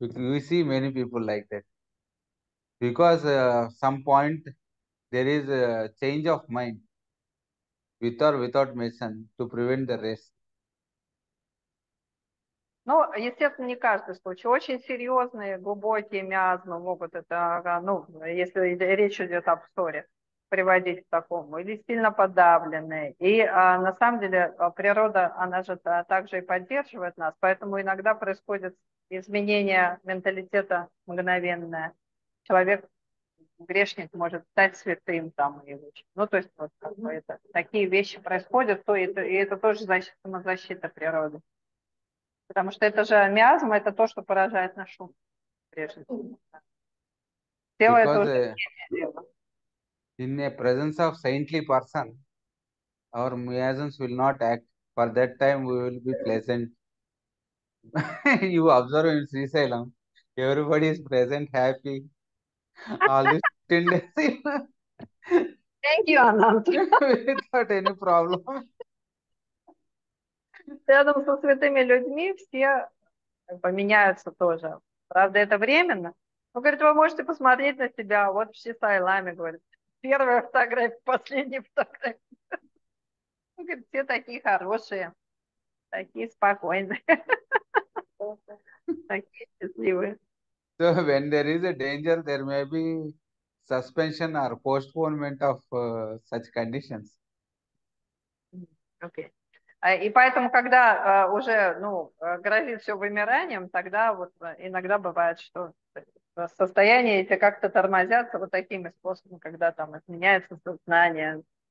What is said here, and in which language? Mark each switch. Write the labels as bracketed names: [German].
[English] We see many people like that. Because some point there is a change of mind with or without medicine to prevent the race. [Russian] Но, естественно, не каждый случай. Очень серьезные, глубокие миазмы могут это, ну, если речь идет об ссоре, приводить к такому. Или сильно подавленные. И на самом деле природа, она же также и поддерживает нас, поэтому иногда происходит изменение менталитета мгновенное. Человек, грешник, может стать святым там или очень. Ну, то есть вот как бы это, такие вещи происходят, то это, и это тоже защита, самозащита природы. Потому что это же миазма, это то, что поражает нашу прежде. Тело это [English] Because [Russian] уже не дело. [English] in a presence of saintly person, our miasms will not act. For that time, we will be pleasant. You observe in Srisailam, everybody is present, happy. All this tindasil Anant. without any problem. [Russian] Рядом со святыми людьми все поменяются тоже. Правда, это временно. Но, говорит, вы можете посмотреть на себя. Вот в Сисайламе, говорит. Первая фотография, последняя фотография. Он говорит, все такие хорошие. Такие спокойные. Такие счастливые. [English] So when there is a danger, there may be suspension or postponement of such conditions. Окей. [Russian] И поэтому, когда уже ну, грозит все вымиранием, тогда вот иногда бывает, что состояния эти как-то тормозятся вот такими способами, когда там изменяется сознание.